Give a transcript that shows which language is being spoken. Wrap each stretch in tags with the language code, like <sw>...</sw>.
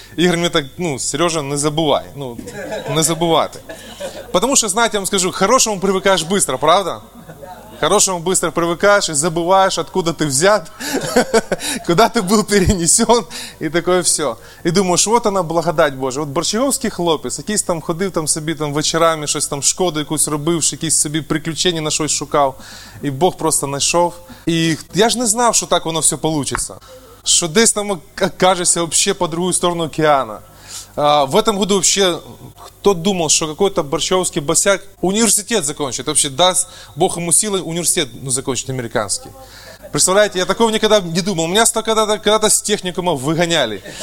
<ru>И говорю мне так, ну, Сережа, не забывай, ну, не забывай ты. Потому что, знаете, я вам скажу, к хорошему привыкаешь быстро, правда? К хорошему быстро привыкаешь и забываешь, откуда ты взят, куда ты был перенесен и такое все. И думаешь, вот она благодать Божия.</ru> <uk>Вот Борщаговский хлопец, якийсь там ходив там собі там вечерами, щось там шкоду якусь робив, якісь собі приключення на щось шукав. І Бог просто знайшов. І я ж не знав, що так воно все получиться. Що десь там окажешся вообще по другу сторону океана.</uk> <ru>В этом году вообще, кто думал, что какой-то Борщаговский босяк университет закончит, вообще даст Бог ему силы университет, ну, закончить американский. Представляете, я такого никогда не думал. Меня когда-то с техникума выгоняли.</ru>